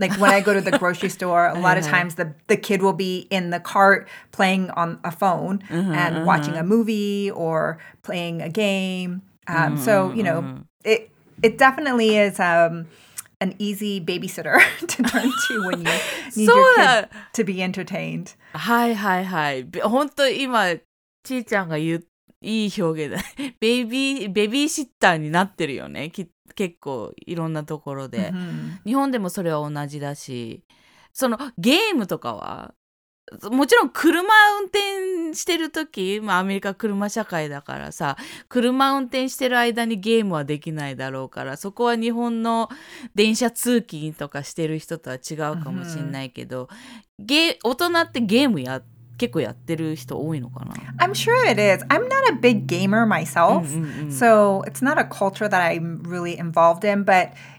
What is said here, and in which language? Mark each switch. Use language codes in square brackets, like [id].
[en] Like when I go to the grocery store, a lot of times the kid will be in the cart playing on a phone mm-hmm, and mm-hmm. watching a movie or playing a game. Mm-hmm, so, you know, mm-hmm. it definitely is an easy babysitter to turn to when you need your kid to be entertained. [ja] はいはいはい。本当今ちーちゃんが言ういい表現だ。ベビーシッターになってるよね。きっと結構いろんなところで、 [en] mm-hmm. [ja] 日本でもそれは同じだし、そのゲームとかはもちろん車運転してる時、まあアメリカ車社会だからさ、車運転してる間にゲームはできないだろうから、そこは日本の電車通勤とかしてる人とは違うかもしれないけど、mm-hmm. 大人ってゲームや結構やってる人多いのかな? [en] I'm sure it is. I'm not a big gamer myself. Mm-hmm. So it's not a culture that I'm really involved in. But